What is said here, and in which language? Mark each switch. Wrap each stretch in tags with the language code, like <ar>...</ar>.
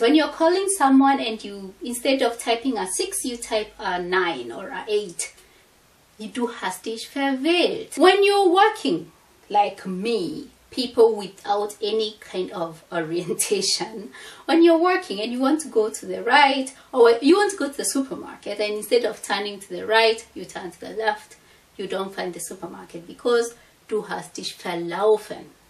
<en>When you're calling someone and you, instead of typing a 6, you type a 9 or a 8. You do</en> <de>hast dich verwirrt.</de> <en>When you're working, like me, people without any kind of orientation, when you're working and you want to go to the right, or you want to go to the supermarket, and instead of turning to the right, you turn to the left, you don't find the supermarket because</en> <de>du hast dich verlaufen.</de>